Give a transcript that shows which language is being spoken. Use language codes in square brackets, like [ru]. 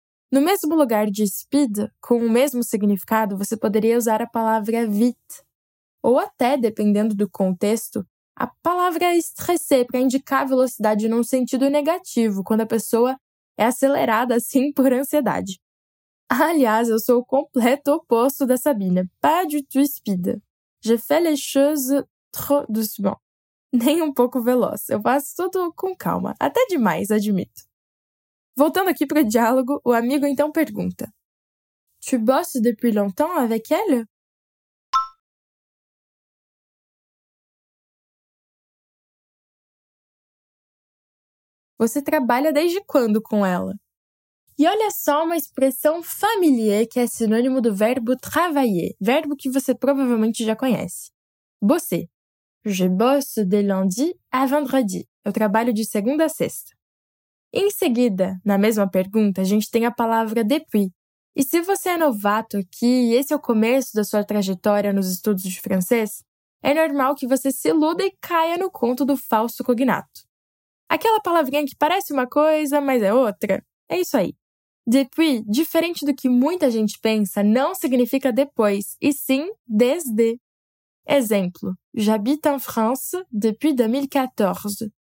[pt] No mesmo lugar de speed, com o mesmo significado, você poderia usar a palavra vite. Ou até, dependendo do contexto, a palavra estressé para indicar a velocidade num sentido negativo, quando a pessoa é acelerada assim por ansiedade. Aliás, eu sou o completo oposto da Sabine. [fr] Pas du tout speed. Je fais les choses trop doucement. [pt] Nem um pouco veloz. Eu faço tudo com calma. Até demais, admito. Voltando aqui para o diálogo, o amigo então pergunta: [fr] Tu bosses depuis longtemps avec elle? [pt] Você trabalha desde quando com ela? E olha só uma expressão familiar que é sinônimo do verbo travailler, verbo que você provavelmente já conhece. [fr] Bosser. Je bosse de lundi à vendredi. [pt] Eu trabalho de segunda a sexta. Em seguida, na mesma pergunta, a gente tem a palavra depuis. E se você é novato aqui e esse é o começo da sua trajetória nos estudos de francês, é normal que você se iluda e caia no conto do falso cognato. Aquela palavrinha que parece uma coisa, mas é outra. É isso aí. Depuis, diferente do que muita gente pensa, não significa depois, e sim desde. Exemplo: [fr] J'habite en France depuis 2014.